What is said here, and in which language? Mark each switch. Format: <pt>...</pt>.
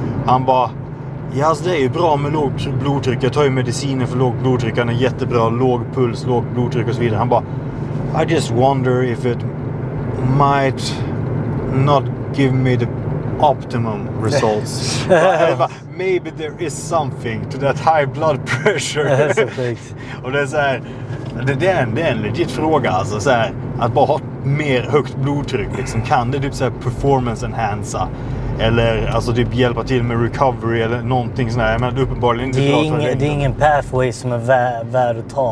<sv>Han bara, ja, yes, det är ju bra med lågt blodtryck. Jag tar ju mediciner för lågt blodtryck. Han är jättebra, låg puls, lågt blodtryck och så vidare. Han bara,</sv> <en>I just wonder if it might not give me the optimum results. Maybe there is something to that high blood pressure.</en> <sv>Och det är så här, det är en legit fråga. Alltså, så här, att bara ha mer högt blodtryck, liksom, kan det typ så här performance enhansa? Eller alltså, typ hjälpa till med recovery eller någonting sånt här. Jag menar, uppenbarligen inte det, är ingen, det är ingen pathway som är värd att ta.</sv>